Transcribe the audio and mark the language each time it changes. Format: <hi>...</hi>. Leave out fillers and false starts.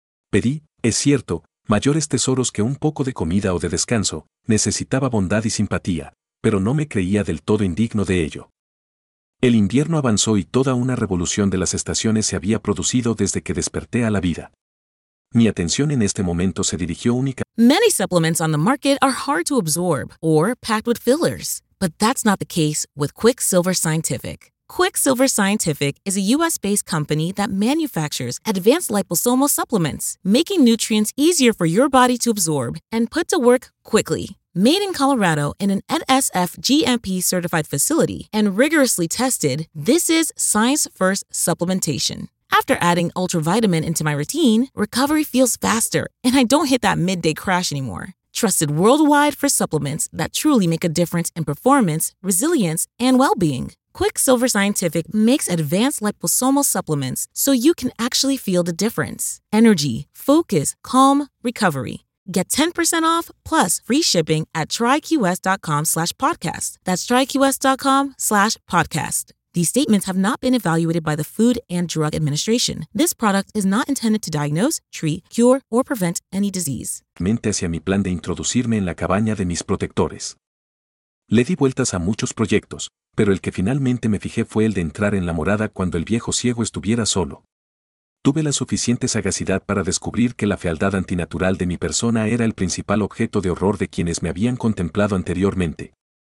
<es>Pedí, es cierto, mayores tesoros que un poco de comida o de descanso, necesitaba bondad y simpatía, pero no me creía del todo indigno de ello. El invierno avanzó y toda una revolución de las estaciones se había producido desde que desperté a la vida. Mi atención en este momento se dirigió únicamente.</es> <en>Many supplements on the market are hard to absorb or packed with fillers, but that's not the case with Quiksilver Scientific. Quiksilver Scientific is a U.S.-based company that manufactures advanced liposomal supplements, making nutrients easier for your body to absorb and put to work quickly. Made in Colorado in an NSF GMP-certified facility and rigorously tested, this is science-first supplementation. After adding ultravitamin into my routine, recovery feels faster and I don't hit that midday crash anymore. Trusted worldwide for supplements that truly make a difference in performance, resilience, and well-being. Quiksilver Scientific makes advanced liposomal supplements so you can actually feel the difference. Energy, focus, calm, recovery. Get 10% off plus free shipping at tryqs.com/podcast. That's tryqs.com/podcast. These statements have not been evaluated by the Food and Drug Administration. This product is not intended to diagnose, treat, cure, or prevent any disease.</en> <es>Mente hacia mi plan de introducirme en la cabaña de mis protectores. Le di vueltas a muchos proyectos, pero el que finalmente me fijé fue el de entrar en la morada cuando el viejo ciego estuviera solo. Tuve la suficiente sagacidad para descubrir que la fealdad antinatural de mi persona era el principal objeto de horror de quienes me habían contemplado anteriormente.</es>